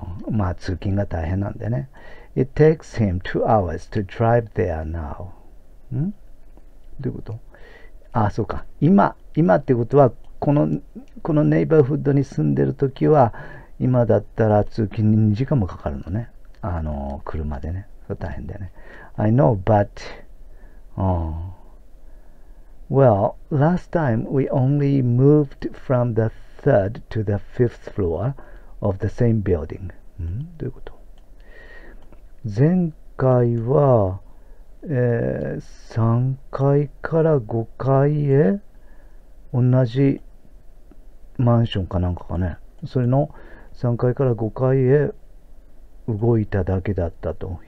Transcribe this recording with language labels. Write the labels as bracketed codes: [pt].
[ja] まあ、通勤が大変なんだよね。 [en] It takes him 2 hours to drive there now。 [ja] ん？どういうこと？ああ、そうか。今ってことは、このネイバーフッドに住んでるときは、今だったら通勤に2時間もかかるのね。車でね。それ大変だよね。 [en] I know, but, well, last time we only moved from the third to the fifth floor of the same building. [ja] どういうこと？前回は、3階から5階へ同じマンションかなんかかね。それの3階から5階へ動いただけだったと。